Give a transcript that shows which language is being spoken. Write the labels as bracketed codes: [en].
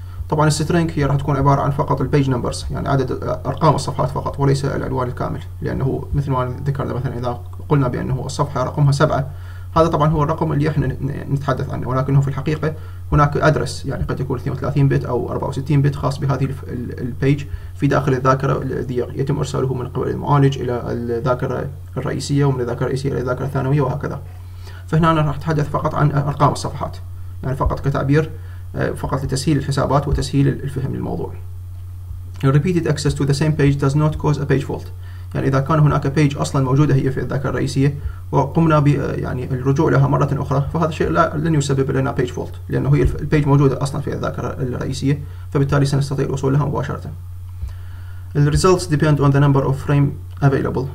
[ar] طبعا السترينج هي راح تكون عباره عن فقط البيج نمبرز، يعني عدد ارقام الصفحات فقط وليس العنوان الكامل، لانه مثل ما ذكرنا مثلا اذا قلنا بانه الصفحه رقمها 7 هذا طبعا هو الرقم اللي احنا نتحدث عنه، ولكنه في الحقيقه هناك ادرس، يعني قد يكون 32 بت او 64 بت خاص بهذه البيج في داخل الذاكره الذي يتم ارساله من قبل المعالج الى الذاكره الرئيسيه ومن الذاكره الرئيسيه الى الذاكره الثانويه وهكذا. فهنا انا راح اتحدث فقط عن ارقام الصفحات، يعني فقط كتعبير فقط لتسهيل الحسابات وتسهيل الفهم للموضوع. [en] Repeated access to the same page does not cause a page fault. [ar] يعني إذا كان هناك page أصلاً موجودة هي في الذاكرة الرئيسية وقمنا ب يعني الرجوع لها مرة أخرى، فهذا الشيء لن يسبب لنا page fault، لأنه هي page موجودة أصلاً في الذاكرة الرئيسية، فبالتالي سنستطيع الوصول لها مباشرة. [en] The results depend on the number of frame available.